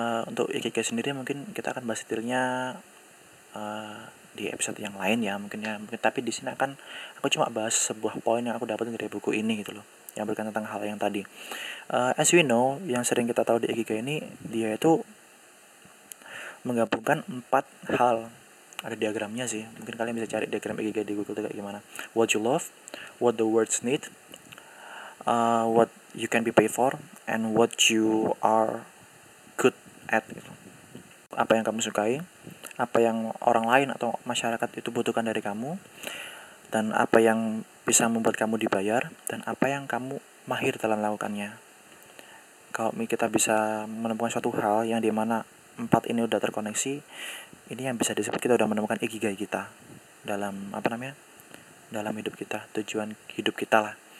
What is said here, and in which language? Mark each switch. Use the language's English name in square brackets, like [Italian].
[Indonesian] Untuk ikigai sendiri mungkin kita akan bahas detailnya di episode yang lain ya mungkin ya, tapi di sini akan aku cuma bahas sebuah poin yang aku dapetin dari buku ini gitu loh, yang berkaitan tentang hal yang tadi. [English] As we know, [Indonesian] yang sering kita tahu di ikigai ini, dia itu menggabungkan 4 hal. Ada diagramnya sih, mungkin kalian bisa cari diagram ikigai di Google kayak gimana. [English] What you love, what the world need, what you can be paid for, and what you are good at. [Indonesian] Apa yang kamu sukai, apa yang orang lain atau masyarakat itu butuhkan dari kamu, dan apa yang bisa membuat kamu dibayar, dan apa yang kamu mahir dalam melakukannya. Kalau kita bisa menemukan suatu hal yang dimana 4 ini udah terkoneksi, ini yang bisa disebut kita udah menemukan ikigai kita dalam apa namanya, dalam hidup kita, tujuan hidup kita lah.